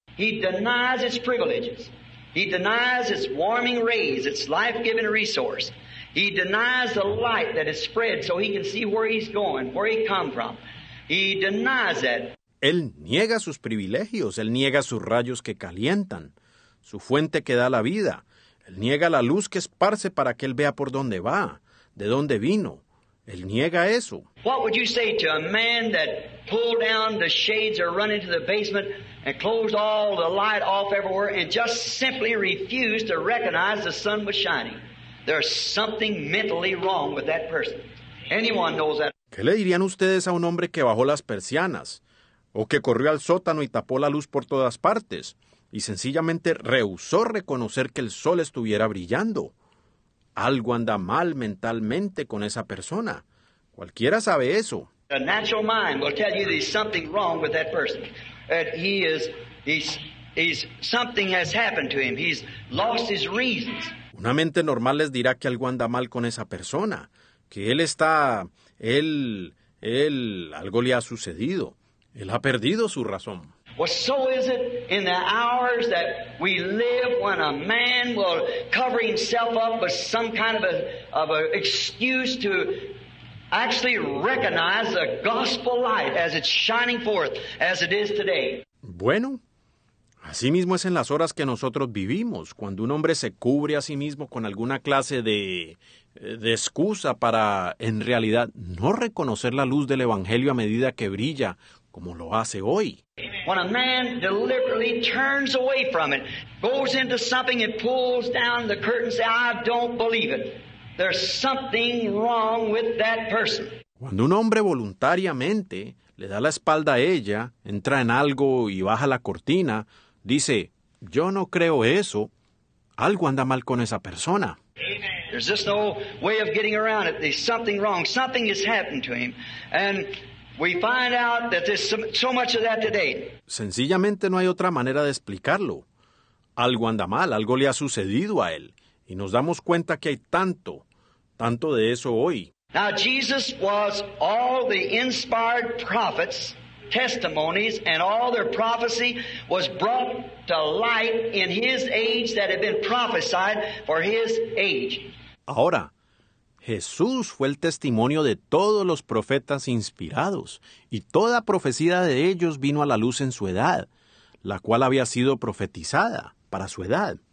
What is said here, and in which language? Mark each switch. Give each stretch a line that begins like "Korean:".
English: He denies its privileges. He denies its warming rays, its life-giving resource. He denies the light that is spread so he can see where he's going, where he come from. He denies that.
Spanish: Él niega sus privilegios, él niega sus rayos que calientan, su fuente que da la vida. Él niega la luz que esparce para que él vea por dónde va, de dónde vino. Él niega eso.
English: What would you say to a man that pulled down the shades or run into the basement and closed all the light off everywhere and just simply refused to recognize the sun was shining? There's something mentally wrong with that person. Anyone knows that.
Spanish: ¿Qué le dirían ustedes a un hombre que bajó las persianas o que corrió al sótano y tapó la luz por todas partes y sencillamente rehusó reconocer que el sol estuviera brillando? Algo anda mal mentalmente con esa persona. Cualquiera sabe eso.
English: The natural mind will tell you there's something wrong with that person. That he is he's something has happened to him. He's lost his reasons.
Spanish: Una mente normal les dirá que algo anda mal con esa persona, que él está, él, algo le ha sucedido. Él ha perdido su razón.
English: Well, so is it in the hours that we live when a man will cover himself up with some kind of a excuse to actually recognize the gospel light as it's shining forth as it is today.
Spanish: Bueno. Asimismo es en las horas que nosotros vivimos, cuando un hombre se cubre a sí mismo con alguna clase de excusa para, en realidad, no reconocer la luz del Evangelio a medida que brilla, como lo hace hoy.
English: When a man deliberately turns away from it, goes into something and pulls down the curtain and says, I don't believe it. There's something wrong with that person.
Spanish: Cuando un hombre voluntariamente le da la espalda a ella, entra en algo y baja la cortina, dice, yo no creo eso. Algo anda mal con esa persona.
English: There's just no way of getting around it. There's something wrong. Something has happened to him. And we find out that there's so much of that today.
Spanish: Sencillamente no hay otra manera de explicarlo. Algo anda mal. Algo le ha sucedido a él. Y nos damos cuenta que hay tanto, tanto de eso hoy.
English: Now Jesus was all the inspired prophets, testimonies, and all their prophecy was brought to light in his age that had been prophesied for his age.
Spanish: Ahora, Jesús fue el testimonio de todos los profetas inspirados, y toda profecía de ellos vino a la luz en su edad, la cual había sido profetizada para su edad.